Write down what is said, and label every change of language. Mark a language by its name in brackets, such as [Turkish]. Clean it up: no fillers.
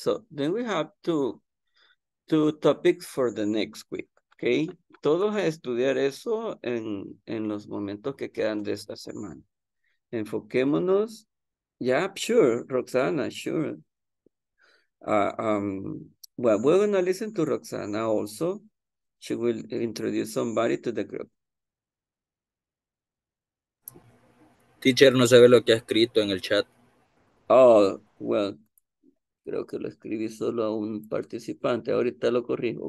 [English] So then we have two topics for the next week. Okay. [Spanish] Todos a estudiar eso en los momentos que quedan de esta semana. Enfoquémonos. [English] Yeah, sure, Roxana, sure. Well, we're going to listen to Roxana also. She will introduce somebody to the group. [Spanish] Teacher, no se ve lo que ha escrito en el chat. [English] Oh, well, [Spanish] creo que lo escribí solo a un participante. Ahorita lo corrijo.